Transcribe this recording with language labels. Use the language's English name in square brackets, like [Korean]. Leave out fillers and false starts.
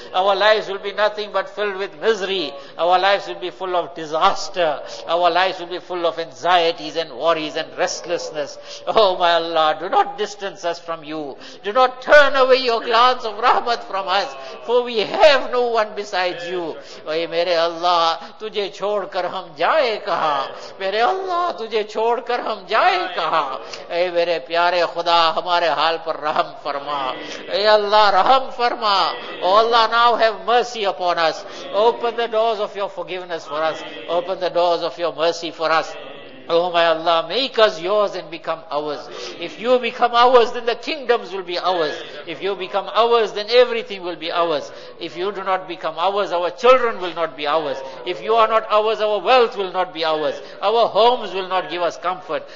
[English] Our lives will be nothing but filled with misery. Our lives will be full of disaster. Our lives will be full of anxieties and worries and restlessness. Oh my Allah, do not distance us from you. Do not turn away your glance of rahmat from us, for we have no one besides you. Oh [Urdu] mere Allah, tujhe chhod kar کر ہم جائے کہاں, میرے اللہ تجھے چھوڑ کر ہم جائے کہاں. اے میرے پیارے خدا ہمارے حال پر رحم فرما, اے اللہ رحم فرما. [English] او اللہ now have mercy upon us, open the doors of your forgiveness for us, open the doors of your mercy for us. Oh my Allah, make us yours and become ours. If you become ours, then the kingdoms will be ours. If you become ours, then everything will be ours. If you do not become ours, our children will not be ours. If you are not ours, our wealth will not be ours. Our homes will not give us comfort.